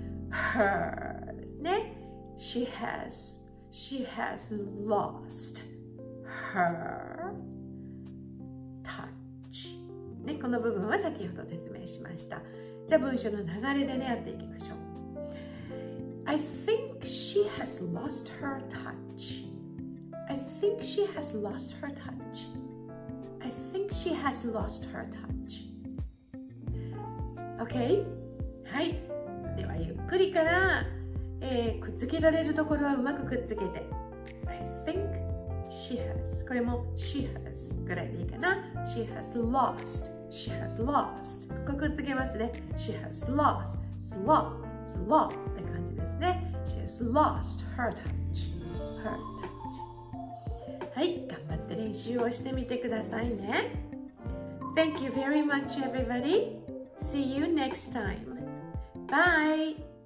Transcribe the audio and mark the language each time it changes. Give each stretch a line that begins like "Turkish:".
Japanese: Her ですね。
English: She has lost her touch、
Japanese: ね、この部分は先ほど説明しました。じゃあ文章の流れでね、やっていきましょう。
English: I think she has lost her touch. I think she has lost her touch. I think she has lost her touch. Okay? はい。
Japanese: ではゆっくりから、くっつけられるところはうまくくっつけて。
English: I think she has.
Japanese: これも
English: she has
Japanese: ぐらいでいいかな。
English: She has lost. She has lost.
Japanese: ここくっつけますね。
English: She has lost. Slop.
Japanese: Slop って感じですね。
English: She has lost her touch. Her touch.
Japanese: はい、頑張って練習をしてみてくださいね。
English: Thank you very much, everybody. See you next time. Bye!